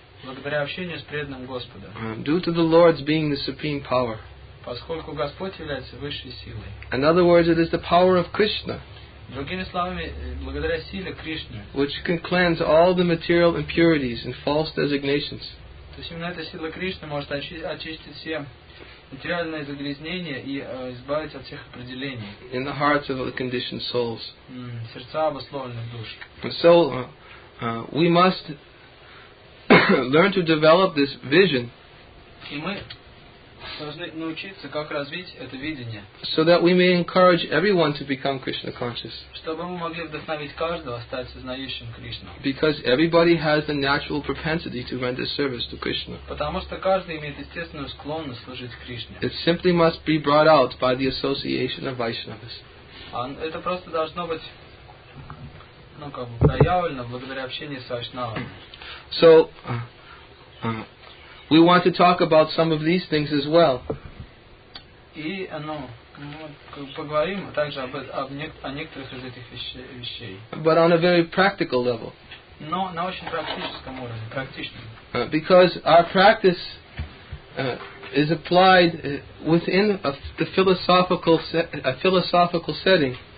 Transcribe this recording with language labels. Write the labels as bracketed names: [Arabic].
[Russian] Благодаря общению с преданным Господом. [English] Due to the Lord's being the supreme power. [Russian] Поскольку Господь является высшей силой. [English] In other words, it is the power of Krishna. [Russian] Другими словами, благодаря силе Кришны. [English] Which can cleanse all the material impurities and false designations. [Russian] То есть именно эта сила Кришны может очистить все материальные загрязнения и избавить от всех определений. [English] In the hearts of the conditioned souls. [Russian] Сердца обусловленных душ. [English] So we must learn to develop this vision. [Russian] И мы должны научиться, как развить это видение. [English] So that we may encourage everyone to become Krishna conscious. [Russian] Чтобы мы могли вдохновить каждого стать сознающим Кришну. [English] Because everybody has the natural propensity to render service to Krishna. [Russian] Потому что каждый имеет естественную склонность служить Кришне. [English] It simply must be brought out by the association of Vaishnavas. [Russian] Это просто должно быть, ну как бы проявлено благодаря общению с Вайшнавами. [English] So we want to talk about some of these things as well. [Russian] И, ну, поговорим также о некоторых из этих вещей. [English] But on a very practical level. [Russian] Но на очень практическом уровне, практичном. [English] Because our practice is applied within a philosophical setting.